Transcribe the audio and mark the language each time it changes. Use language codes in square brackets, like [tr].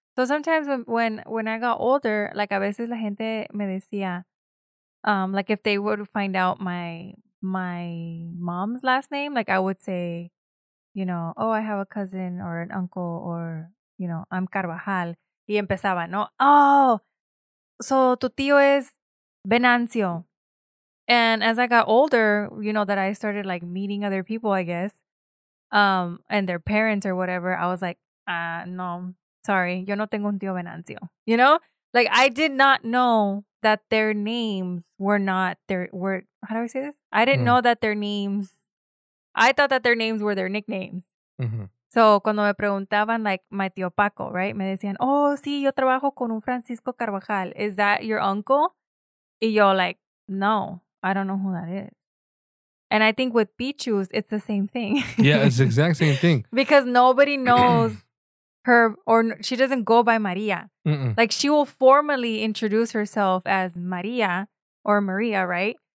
[en] So sometimes when I got older, like [es] a veces la gente me decía, [en] like if they would find out my mom's last name, like I would say, you know, oh, I have a cousin or an uncle or, you know, I'm Carvajal. [es] Y empezaba, no, [en] oh, so [es] tu tío es Venancio. [en] And as I got older, you know, that I started like meeting other people, I guess, and their parents or whatever, I was like, no, sorry, [es] yo no tengo un tío Venancio, [en] you know? Like, I did not know that their names were not their, were, how do I say this? I didn't know that their names, I thought that their names were their nicknames. Mm-hmm. So, [es] cuando me preguntaban, [en] like, my tío Paco, right? [es] Me decían, oh, sí, yo trabajo con un Francisco Carvajal. [en] Is that your uncle? [es] Y yo, [en] like, no, I don't know who that is. And I think with Pichus, it's the same thing. Yeah, it's the exact same thing. Because nobody knows her, or she doesn't go by Maria. Mm-mm. Like, she will formally introduce herself as Maria or Maria, right?